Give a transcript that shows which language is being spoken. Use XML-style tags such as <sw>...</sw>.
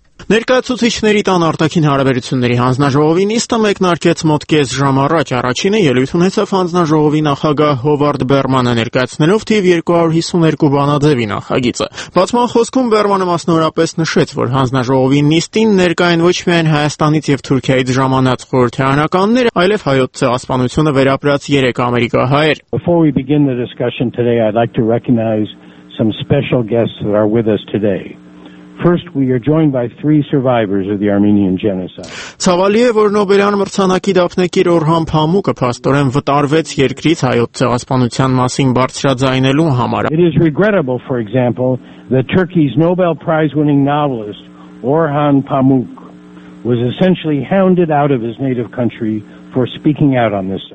<hy>Ներկայացուցիչների տան Արտաքին Հարաբերությունների Հանձնաժողովի նիստը մեկնարկեց մոտ կես ժամ առաջ, առաջինը ելույթ ունեցավ Հանձնաժողովի նախագահ Հովարդ Բերմանը, ներկայացնելով թիվ 252 բանաձևի նախագիծը։ Բացման խոսքում Բերմանը մասնավորապես նշեց, որ Հանձնաժողովի նիստին ներկա են ոչ միայն Հայաստանից և Թուրքիայից ժամանած խորհրդարանականներ, այլև հայոց ցեղասպանությունը վերապրած 3 ամերիկահայր։</hy> <en>Before we begin the discussion today, I'd like to recognize some special guests that are with us today. First, we are joined by three survivors of the Armenian Genocide.</en> <hy>Ցավալի է, որ Նոբելյան մրցանակի դափնեկիր Օրհան Փամուկը փաստորեն վտարվեց երկրից հայոց ցեղասպանության մասին բարձրաձայնելու համար.</hy> <en>It is regrettable, for example, that Turkey's Nobel Prize-winning novelist Orhan Pamuk was essentially hounded out of his native country for speaking out on this.</en>